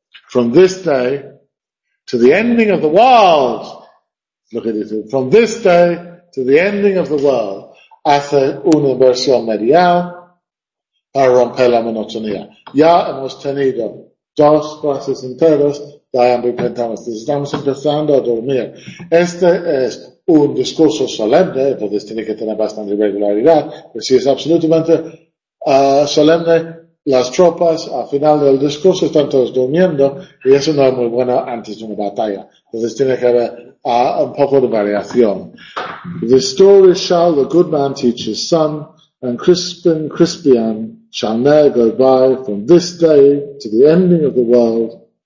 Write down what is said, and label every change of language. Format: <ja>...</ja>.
<en>From this day to the ending of the world. Look at it. From this day to the ending of the world.</en> <es>Hace una versión medial para romper la monotonía. Ya hemos tenido dos frases enteras de ambos pentámetros. Estamos empezando a dormir. Este es un discurso solemne, entonces tiene que tener bastante regularidad. Pero si es absolutamente solemne, las tropas, al final del discurso, están todos durmiendo, y eso no es muy bueno antes de una batalla. Entonces tiene que haber un poco de variación.</es> <en>The story shall the good man teach his son, and Crispin Crispian shall ne'er go by from this day to the ending of the world.</en>